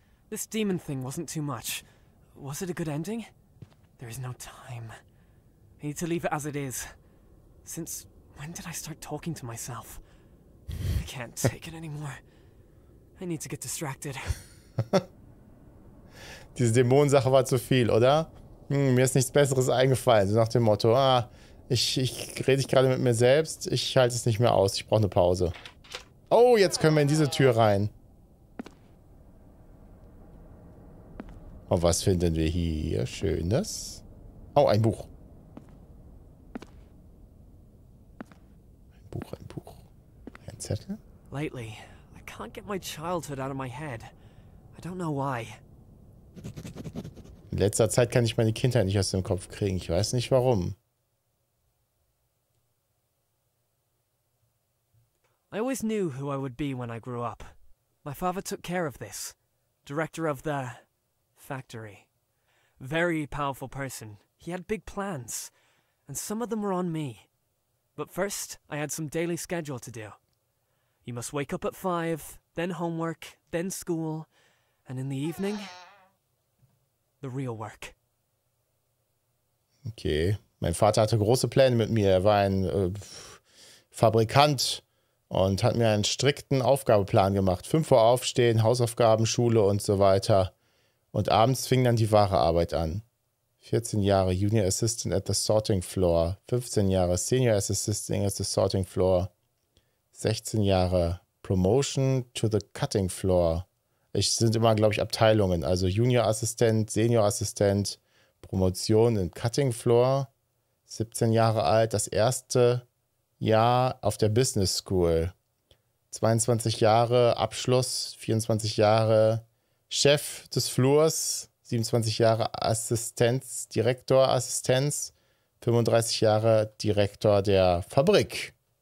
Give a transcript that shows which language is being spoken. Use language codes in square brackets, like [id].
[en] This demon thing wasn't too much. Was it a good ending? There is no time. I need to leave it as it is. Since when did I start talking to myself? I can't take it anymore. I need to get distracted. [de] Diese Dämonensache war zu viel, oder? Hm, mir ist nichts Besseres eingefallen. So nach dem Motto, ah, ich rede ich gerade mit mir selbst. Ich halte es nicht mehr aus. Ich brauche eine Pause. Oh, jetzt können wir in diese Tür rein. Und was finden wir hier? Schönes. Oh, ein Buch. Ein Buch, ein Buch. Ein Zettel. [en] Lately, I can't get my childhood out of my head. I don't know why. [de] In letzter Zeit kann ich meine Kindheit nicht aus dem Kopf kriegen. Ich weiß nicht warum. [en] I always knew who I would be when I grew up. My father took care of this. Director of the factory. Very powerful person. He had big plans, and some of them were on me. But first, I had some daily schedule to do. You must wake up at 5, then homework, then school, and in the evening, the real work. Okay. [de] Mein Vater hatte große Pläne mit mir. Er war ein Fabrikant und hat mir einen strikten Aufgabeplan gemacht. 5 Uhr aufstehen, Hausaufgaben, Schule und so weiter. Und abends fing dann die wahre Arbeit an. [en] 14 [de] Jahre [en] Junior Assistant at the Sorting Floor. 15 [de] Jahre [en] Senior Assistant at the Sorting Floor. 16 [de] Jahre [en] Promotion to the Cutting Floor. [de] Es sind immer, glaube ich, Abteilungen. Also Junior Assistant, Senior Assistant, Promotion in Cutting Floor. 17 Jahre alt, das erste Jahr auf der Business School. 22 Jahre Abschluss, 24 Jahre Chef des Flurs, 27 Jahre Assistenz, Direktor Assistenz, 35 Jahre Direktor der Fabrik.